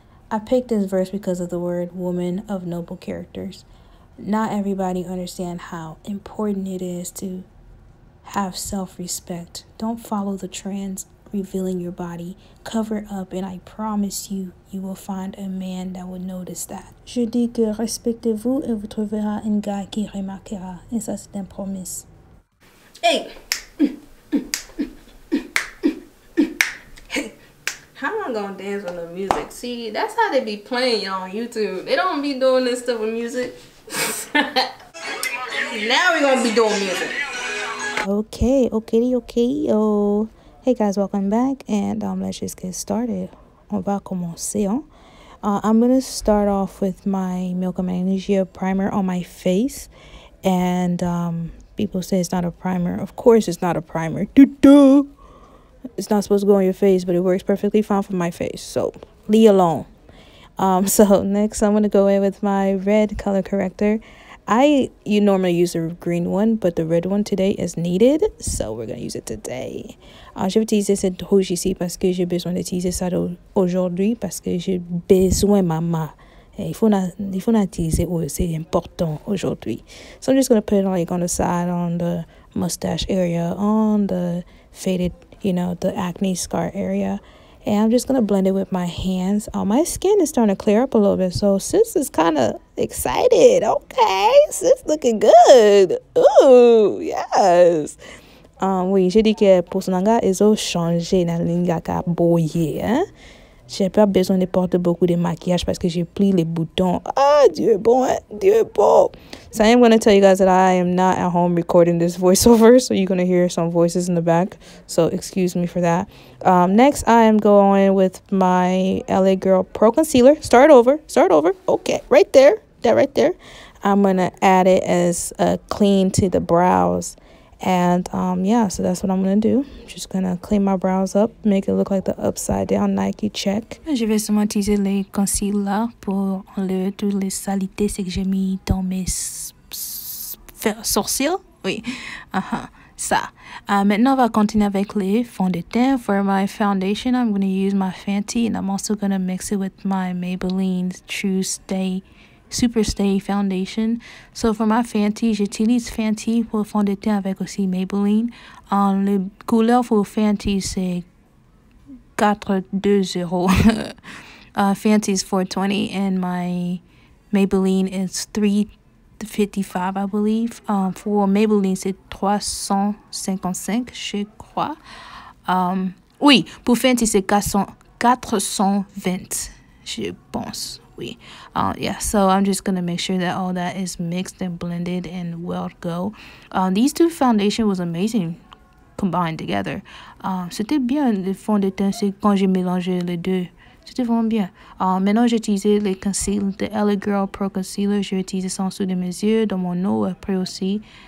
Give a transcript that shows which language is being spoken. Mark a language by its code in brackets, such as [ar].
[en] I picked this verse because of the word woman of noble characters. Not everybody understands how important it is to have self-respect. Don't follow the trends revealing your body. Cover up, and I promise you, you will find a man that will notice that. [fr] Je dis que respectez-vous et vous trouverez un gars qui remarquera. Et ça, c'est une promesse. Hey! [en] How am I gonna dance with the music? See, that's how they be playing y'all on YouTube. They don't be doing this stuff with music. Now we're gonna be doing music. Okay, okay, okay, yo. Hey guys, welcome back, and let's just get started. [fr] On va commencer, hein? [en] I'm gonna start off with my Milk and Magnesia primer on my face, and people say it's not a primer. Of course it's not a primer. Doo-doo! It's not supposed to go on your face, but it works perfectly fine for my face, so leave alone. So next I'm gonna go in with my red color corrector. You normally use a green one, but the red one today is needed, so we're gonna use it today. [fr] Je vais utiliser cette rouge ici parce que j'ai besoin d'utiliser ça aujourd'hui parce que j'ai besoin, maman. Il faut utiliser où c'est important aujourd'hui. [en] So I'm just gonna put it like on the side, on the mustache area, on the faded, you know, the acne scar area. And I'm just gonna blend it with my hands. Oh, my skin is starting to clear up a little bit. So sis is kind of excited. Okay, sis looking good. Ooh, yes. [fr] Oui, j'ai dit que pour son anga, ils ont changé la ligne à boyer. J'ai pas besoin de porter beaucoup de maquillage parce que j'ai plié les boutons. Ah, Dieu bon, Dieu bon. [en] So I am gonna tell you guys that I am not at home recording this voiceover, so you're gonna hear some voices in the back. So excuse me for that. Next, I am going with my LA Girl Pro Concealer. Start over. Okay, right there. That right there. I'm gonna add it as a clean to the brows. And yeah, so that's what I'm gonna do. Just gonna clean my brows up, make it look like the upside down Nike check. [fr] Je vais seulement utiliser les concealers pour enlever toutes les salités que j'ai mis dans mes sourcils. Oui, ça. Maintenant, on va continuer avec les fonds de teint. [en] For my foundation, I'm gonna use my Fenty, and I'm also gonna mix it with my Maybelline True Stay Super Stay Foundation. So for my Fenty, [fr] j'utilise Fenty pour fond de teint avec aussi Maybelline. Le couleur pour Fenty c'est 420. [en] Fenty is 420 and my Maybelline is 355, I believe. [fr] For Maybelline c'est 355, je crois. Oui, pour Fenty c'est 420, je pense. [en] So I'm just gonna make sure that all that is mixed and blended and well go. These two foundation was amazing combined together. [fr] C'était bien le fond de teint, c'est quand j'ai mélangé les deux. C'était vraiment bien. Maintenant j'ai utilisé le concealer, the LA Girl Pro Concealer. J'ai utilisé ça en dessous de mes yeux, dans mon nez, après aussi.